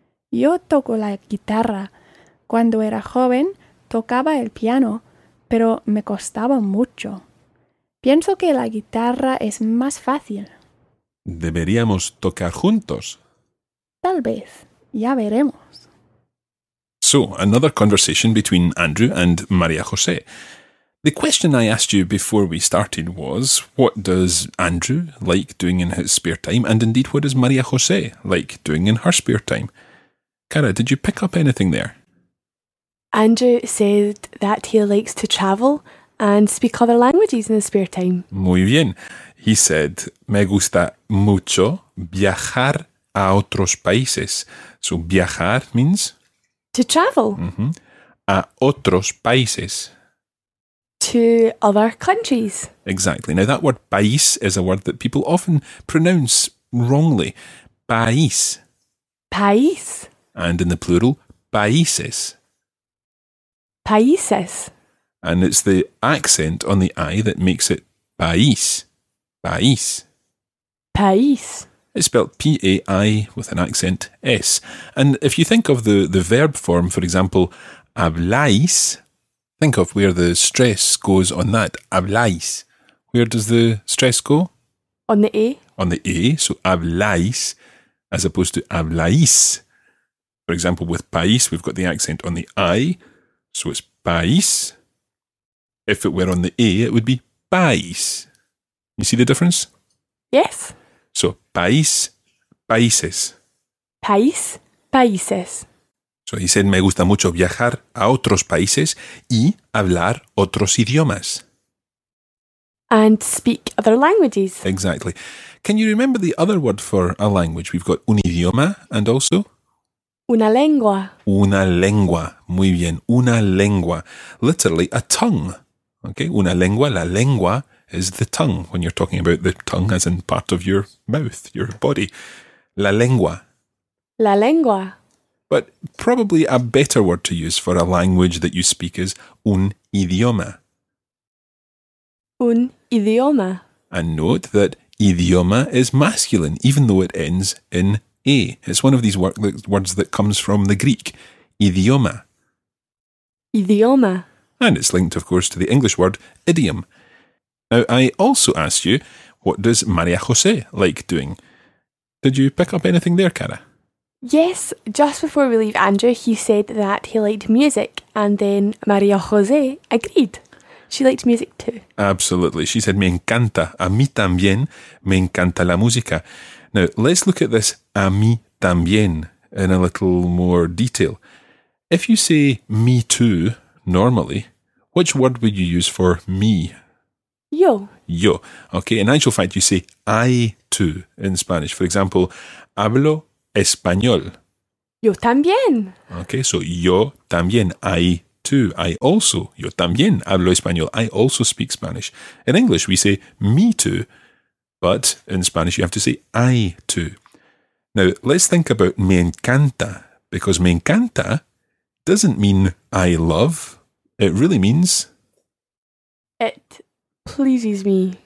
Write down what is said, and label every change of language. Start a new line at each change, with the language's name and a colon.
Spanish: Yo toco la guitarra. Cuando era joven, tocaba el piano, pero me costaba mucho. Pienso que la guitarra es más fácil. ¿Deberíamos tocar juntos? Tal vez. Ya veremos.
English: So, another conversation between Andrew and María José. The question I asked you before we started was, what does Andrew like doing in his spare time? And indeed, what does María José like doing in her spare time? Cara, did you pick up anything there? Andrew said that he likes to travel and speak other languages in his spare time.
Spanish: Muy bien.
English: He said, me gusta mucho viajar a otros países. So, viajar means? To travel.
Spanish: Mm-hmm. A otros países.
English: To other countries. Exactly. Now, that word país is a word that people often pronounce wrongly.
Spanish: País. País.
English: And in the plural, países.
Spanish: Países.
English: And it's the accent on the I that makes it país.
Spanish: País. País.
English: It's spelled P-A-I with an accent S. And if you think of the verb form, for example, habláis, think of where the stress goes on that. Habláis. Where does the stress go? On the A. On the A. So habláis as opposed to habláis. For example, with país, we've got the accent on the I. So it's país. If it were on the A, it would be país. You see the difference? Yes.
Spanish: So país, países. País, países.
English: So he said, me gusta mucho viajar a otros países y hablar otros idiomas. And speak other languages. Exactly. Can you remember the other word for a language? We've got un idioma and also...
Spanish: Una lengua. Una lengua. Muy bien. Una lengua. Literally, a tongue. Okay, una lengua.
English: La lengua is the tongue, when you're talking about the tongue as in part of your mouth, your body.
Spanish: La lengua. La lengua.
English: But probably a better word to use for a language that you speak is un idioma.
Spanish: Un idioma.
English: And note that idioma is masculine, even though it ends in a. It's one of these words that comes from the Greek.
Spanish: Idioma. Idioma.
English: And it's linked, of course, to the English word idiom. Now, I also asked you, what does Maria Jose like doing? Did you pick up anything there, Cara? Yes, just before we leave Andrew, he said that he liked music, and then Maria Jose agreed. She liked music too. Absolutely. She said, me encanta, a mí también, me encanta la música. Now, let's look at this a mí también in a little more detail. If you say me too normally, which word would you use for me?
Spanish: Yo. Yo.
English: Okay, in actual fact, you say I too in Spanish. For example, hablo español.
Spanish: Yo también.
English: Okay, so yo también, I too, I also, yo también hablo español, I also speak Spanish. In English, we say me too, but in Spanish, you have to say I too. Now, let's think about me encanta, because me encanta doesn't mean I love, it really means... It pleases me.